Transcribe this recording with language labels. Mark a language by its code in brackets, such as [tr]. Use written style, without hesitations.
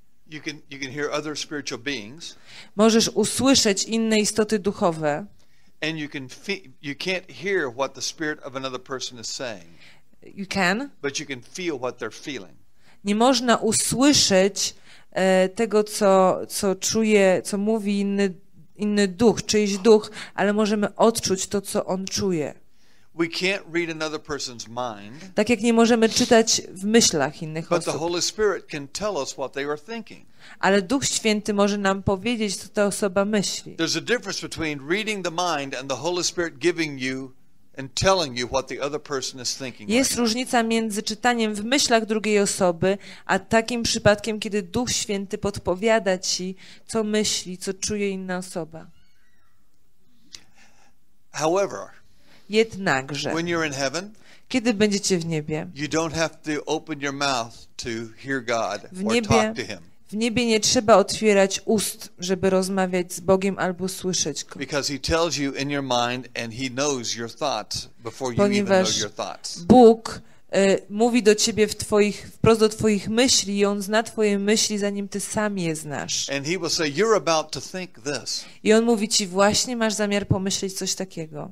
[en] You can hear other spiritual beings. [pl] Możesz usłyszeć inne istoty duchowe. [en] And you can't hear what the spirit of another person is saying. You can. But you can feel what they're feeling. [pl] Nie można usłyszeć tego, co czuje, co mówi inny duch, czyjś duch, ale możemy odczuć to, co on czuje. [en] We can't read another person's mind. [pl] Tak jak nie możemy czytać w myślach innych [en] but [pl] osób. [en] The Holy Spirit can tell us what they are thinking. [pl] Ale Duch Święty może nam powiedzieć, co ta osoba myśli. [en] There's a difference between reading the mind and the Holy Spirit giving you and telling you what the other person is thinking. [pl] Jest różnica między czytaniem w myślach drugiej osoby a takim przypadkiem, kiedy Duch Święty podpowiada ci, co myśli, co czuje inna osoba. [en] However, [pl] jednakże, [en] when you're in heaven, [pl] kiedy będziecie w niebie, [en] you don't have to open your mouth to hear God or talk to him. [pl] W niebie nie trzeba otwierać ust, żeby rozmawiać z Bogiem albo słyszeć go. [en] Because he tells you in your mind and he knows your thoughts before [pl] ponieważ [en] you even know your thoughts. [pl] Bóg mówi do ciebie wprost do twoich myśli i on zna twoje myśli, zanim ty sam je znasz. [en] And he will say, you're about to think this. [pl] I on mówi ci, właśnie masz zamiar pomyśleć coś takiego.